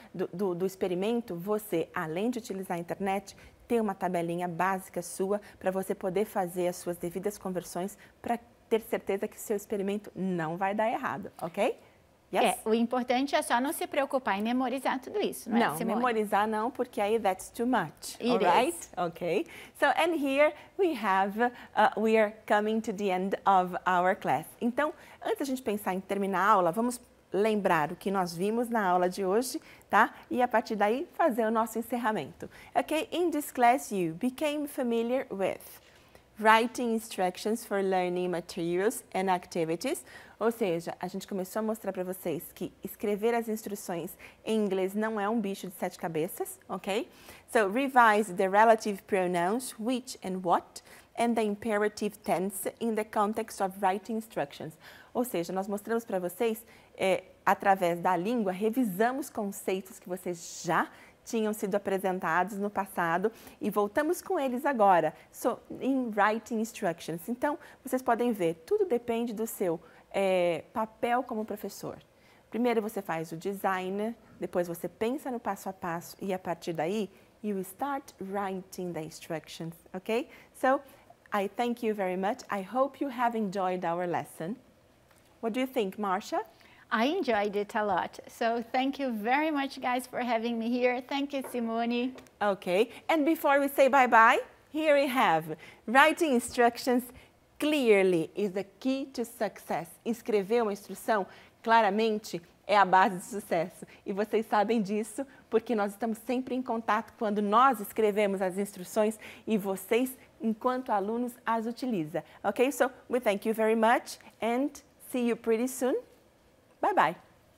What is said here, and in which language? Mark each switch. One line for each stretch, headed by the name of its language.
Portuguese: do experimento, você, além de utilizar a internet, ter uma tabelinha básica sua para você poder fazer as suas devidas conversões para ter certeza que seu experimento não vai dar errado, ok?
English: Yes?
Portuguese: O importante é só não se preocupar em memorizar tudo isso, não é, Simone? Não, memorizar não, porque aí
English: that's too much. It all right? Is. Okay. So, and here we have, we are coming to the end of our class.
Portuguese: Então, antes da gente pensar em terminar a aula, vamos lembrar o que nós vimos na aula de hoje, tá? E a partir daí, fazer o nosso encerramento.
English: Okay, in this class you became familiar with writing instructions for learning materials and activities.
Portuguese: Ou seja, a gente começou a mostrar para vocês que escrever as instruções em inglês não é um bicho de sete cabeças, ok?
English: So, revise the relative pronouns, which and what, and the imperative tense in the context of writing instructions.
Portuguese: Ou seja, nós mostramos para vocês, através da língua, revisamos conceitos que vocês já tinham sido apresentados no passado e voltamos com eles agora,
English: so, in writing instructions.
Portuguese: Então, vocês podem ver, tudo depende do seu papel como professor. Primeiro você faz o design, depois você pensa no passo a passo e a partir daí,
English: you start writing the instructions, ok? So, I thank you very much. I hope you have enjoyed our lesson. What do you think, Marcia? I enjoyed it a lot. So, thank you very much, guys, for having me here. Thank you, Simone. Okay. And before we say bye-bye, here we have writing instructions clearly is the key to success.
Portuguese: Escrever uma instrução claramente é a base de sucesso. E vocês sabem disso porque nós estamos sempre em contato quando nós escrevemos as instruções e vocês, enquanto alunos, as utilizam.
English: Okay? So, we thank you very much and see you pretty soon. Bye-bye.